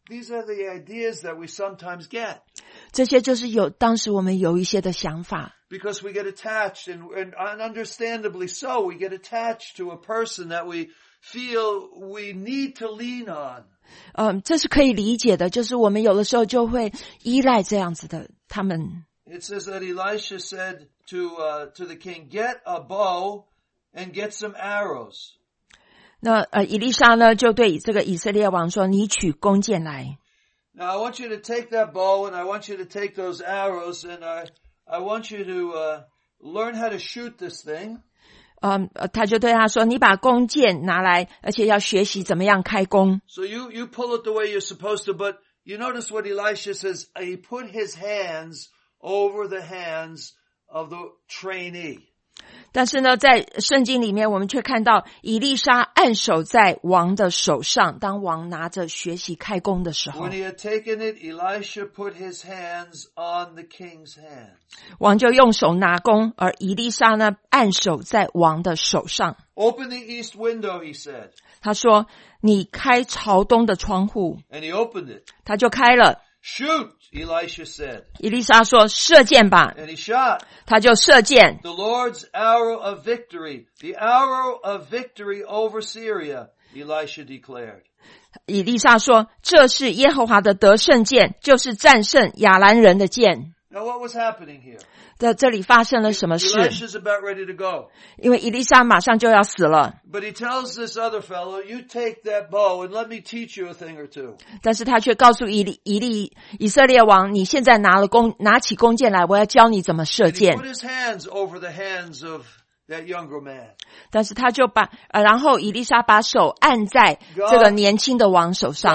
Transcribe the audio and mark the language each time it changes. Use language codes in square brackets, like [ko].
[en] These are the ideas that we sometimes get. [zh] 这些就是当时我们有一些的想法。 [en] Because we get attached, and understandably so, we get attached to a person that we feel we need to lean on. [zh] 这是可以理解的，就是我们有的时候就会依赖这样子的他们。 [en] It says that Elisha said to the king, get a bow,and get some arrows. [zh] 那以利沙呢就对这个以色列王说，你取弓箭来。 [en] Now I want you to take that bow and I want you to take those arrows and I want you to learn how to shoot this thing. [zh] 他就对他说，你把弓箭拿来，而且要学习怎么样开弓。 [en] So you pull it the way you're supposed to, but you notice what Elisha says, he put his hands over the hands of the trainee. [zh] 但是呢在圣经里面我们却看到以利沙按手在王的手上，当王拿着学习开弓的时候。 [en] When he had taken it, Elisha put his hands on the king's hands. [zh] 王就用手拿弓，而以利沙呢按手在王的手上。 [en] Open the east window, he said. [zh] 他说，你开朝东的窗户。 [en] And he opened it. [zh] 他就开了。 [en] Shoot, Elisha said. [zh] 以利沙说，射箭吧。 [en] And he shot. [zh] 他就射箭。 [en] The Lord's arrow of victory. The arrow of victory over Syria. Elisha declared, [zh] 以利沙说，这是耶和华的得胜剑，就是战胜亚兰人的剑。 [en] Now what was happening here? [zh] 在这里发生了什么事？ [en] Elisha's about ready to go. [zh] 因为伊丽莎马上就要死了。 [en] But he tells this other fellow, you take that bow and let me teach you a thing or two. [zh] 但是他却告诉以色列王，你现在拿起弓箭来，我要教你怎么射箭。 [en] And he put his hands over the hands of that younger man. [zh] 但是他就把，然后伊丽莎把手按在这个年轻的王手上。